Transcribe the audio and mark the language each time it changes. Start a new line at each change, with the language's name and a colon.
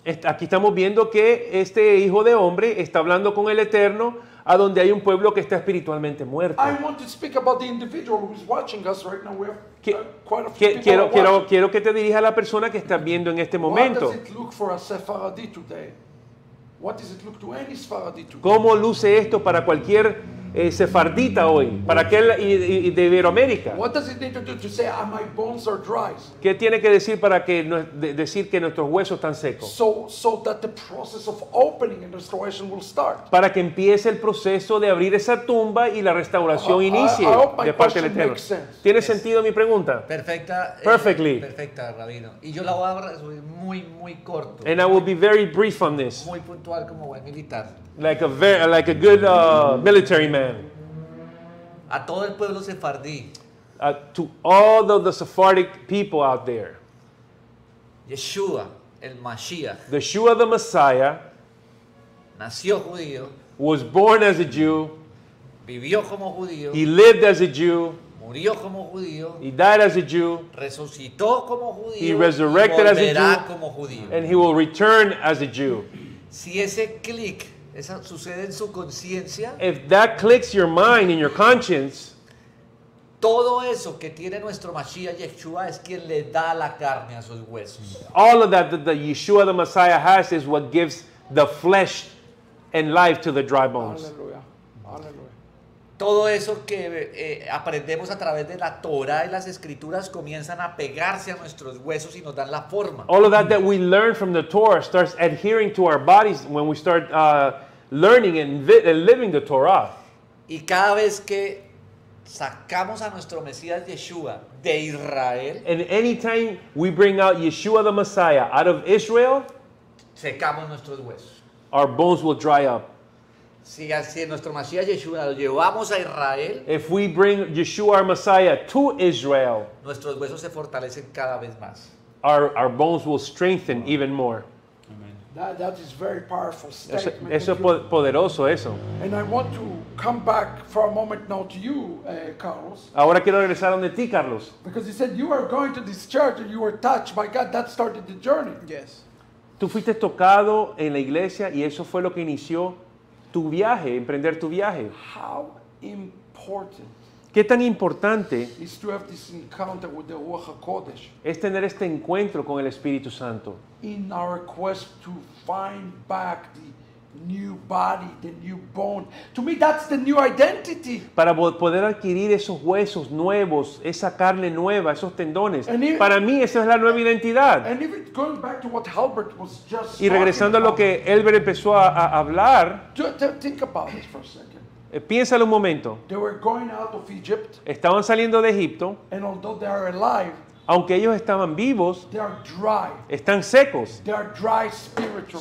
Spanish: Aquí estamos viendo que este hijo de hombre está hablando con el Eterno, a donde hay un pueblo que está espiritualmente muerto.
English: I want to speak about the individual who is watching us right now. We have quite a few people.
Spanish: Quiero que te dirija a la persona que estás viendo en este momento.
English: What does it look for a Sephardi today? What does it look to any Sephardi today?
Spanish: ¿Cómo luce esto para cualquier sefardita hoy, para aquel de Iberoamérica?
English: What does it need to do to say my bones are dry?
Spanish: ¿Qué tiene que decir para que decir que nuestros huesos están secos?
English: So that the process of opening and restoration will start.
Spanish: Para que empiece el proceso de abrir esa tumba y la restauración inicie de parte del Eterno. ¿Tiene sentido mi pregunta? Perfecta.
English: Perfectly.
Spanish: Perfecta, rabino. Y yo la voy a resumir muy muy corto.
English: And I will be very brief on this.
Spanish: Muy puntual como buen militar.
English: Like a good military man.
Spanish: A todo el pueblo sefardí.
English: To all of the Sephardic people out there.
Spanish: Yeshua, el Mashiach.
English: Yeshua, the Messiah.
Spanish: Nació judío.
English: Was born as a Jew.
Spanish: Vivió como judío.
English: He lived as a Jew.
Spanish: Murió como judío.
English: He died as a Jew.
Spanish: Resucitó como judío.
English: He resurrected as a Jew.
Spanish: Volverá como judío.
English: And he will return as a Jew.
Spanish: Si ese clic esa sucede en su conciencia.
English: If that clicks your mind and your conscience,
Spanish: todo eso que tiene nuestro Mashiach Yeshua es quien le da la carne a sus huesos.
English: All of that that Yeshua the Messiah has is what gives the flesh and life to the dry bones.
Spanish: Aleluya. Todo eso que aprendemos a través de la Torá y las Escrituras comienzan a pegarse a nuestros huesos y nos dan la forma.
English: All of that we learn from the Torah starts adhering to our bodies when we start learning and living the Torah.
Spanish: Y cada vez que sacamos a nuestro Mesías Yeshua de Israel,
English: and anytime we bring out Yeshua the Messiah out of Israel,
Spanish: secamos nuestros huesos.
English: Our bones will dry up.
Spanish: Si así nuestro Mesías Yeshua lo llevamos a Israel,
English: if we bring Yeshua our Messiah to Israel,
Spanish: nuestros huesos se fortalecen cada vez más.
English: Our bones will strengthen even more. That is very powerful statement.
Spanish: Eso es poderoso, eso.
English: And I want to come back for a moment now to you, Carlos.
Spanish: Ahora quiero regresar donde ti, Carlos.
English: Because he said you are going to this church and you were touched by God. That started the journey. Yes.
Spanish: Tú fuiste tocado en la iglesia y eso fue lo que inició tu viaje, emprender tu viaje.
English: How important.
Spanish: ¿Qué tan importante
English: is to have this encounter with the Ruach HaKodesh?
Spanish: Es tener este encuentro con el Espíritu Santo.
English: In our quest to find back the new body, the new bone. To me, that's the new identity.
Spanish: Para poder adquirir esos huesos nuevos, esa carne nueva, esos tendones. Para mí, esa es la nueva identidad.
English: And even going back to what Albert was just talking about.
Spanish: Y regresando a lo que Albert empezó a hablar.
English: Think about this for a second.
Spanish: Piénsalo un momento.
English: They were going out of Egypt,
Spanish: estaban saliendo de Egipto.
English: And although they are alive,
Spanish: aunque ellos estaban vivos,
English: they are dry,
Spanish: están secos.
English: They are dry spiritual.